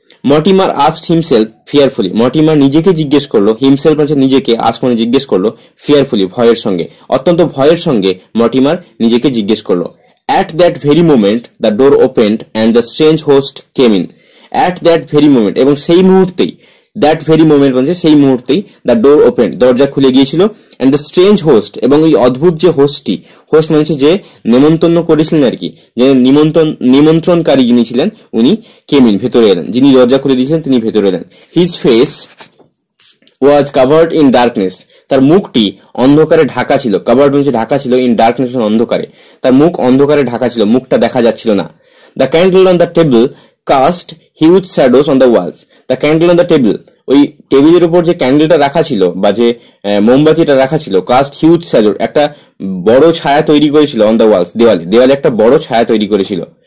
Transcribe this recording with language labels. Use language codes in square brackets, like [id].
[bn] Mortimer [en] asked himself fearfully, [bn] Mortimer নিজেকে জিজ্ঞেস করলো, হিমসেলফ মানে নিজেকে, আস্ক মানে জিজ্ঞেস করলো, ফিয়ারফুলি ভয়ের সঙ্গে, অত্যন্ত ভয়ের সঙ্গে মর্টিমার নিজেকে জিজ্ঞেস করলো। [en] At that very moment, the door opened and the strange host came in. At that very moment, [bn] এবং সেই মুহূর্তেই, [en] that very moment [bn] মানে সেই মুহূর্তেই, [en] the door opened, [bn] দরজা খুলে গিয়েছিল, [en] and the strange host, [bn] এবং এই অদ্ভুত যে হোস্টটি, হোস্ট মানে যে নেমন্তন্ন করেছিলেন আর কি, যে নিমন্ত্রণকারী যিনি ছিলেন, উনি [en] came in, [bn] ভেতরে এলেন, যিনি দরজা খুলে দিয়েছিলেন তিনি ভেতরে এলেন। [en] His face was covered in darkness. [bn] তার মুখটি অন্ধকারে ঢাকা ছিল, কভার্ড মানে ঢাকা ছিল, [en] in darkness [bn] অন্ধকারে, তার মুখ অন্ধকারে ঢাকা ছিল, মুখটা দেখা যাচ্ছিল না। [en] the candle on the table cast huge shadows on the walls, the candle on the table, [bn] ওই টেবিলের উপর যে ক্যান্ডেলটা রাখা ছিল বা যে মোমবাতিটা রাখা ছিল, [en] cast huge shadow, [bn] একটা বড় ছায়া তৈরি করেছিল, [en] on the walls, [bn] দেওয়ালে, দেওয়ালে একটা বড় ছায়া তৈরি করেছিল।